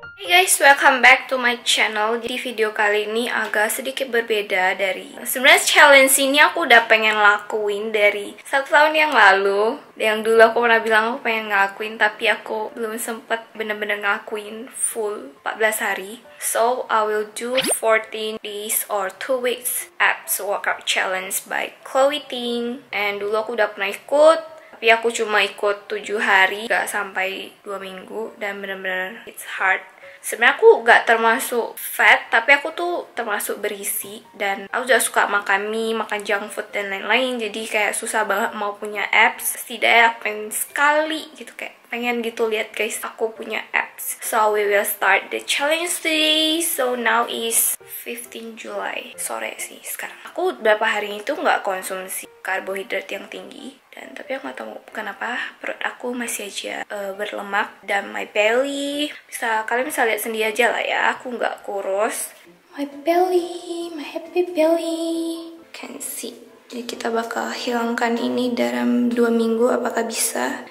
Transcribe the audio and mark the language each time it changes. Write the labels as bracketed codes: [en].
[en] guys, welcome back to my channel. [id] Di video kali ini agak sedikit berbeda dari sebenarnya challenge ini aku udah pengen lakuin dari 1 tahun yang lalu. Yang dulu aku pernah bilang aku pengen ngelakuin, tapi aku belum sempet bener-bener ngelakuin full 14 hari. [en] So, I will do 14 days or 2 weeks abs workout challenge by Chloe Ting. [id] And dulu aku udah pernah ikut, tapi aku cuma ikut 7 hari, gak sampai 2 minggu, dan bener-bener [en] it's hard. [id] Sebenarnya aku gak termasuk fat, tapi aku tuh termasuk berisi, dan aku juga suka makan mie, makan junk food, dan lain-lain. Jadi kayak susah banget mau punya abs, setidaknya aku pengen sekali gitu, kayak pengen gitu lihat guys aku punya abs. [en] So we will start the challenge today. So now is 15 July, [id] sore sih sekarang. Aku beberapa hari itu gak konsumsi karbohidrat yang tinggi, dan tapi aku gak tahu kenapa perut aku masih aja berlemak, dan [en] my belly [id] bisa, kalian bisa lihat sendiri aja lah ya, aku gak kurus. [en] My belly, my happy belly, can see. [id] Jadi kita bakal hilangkan ini dalam 2 minggu, apakah bisa?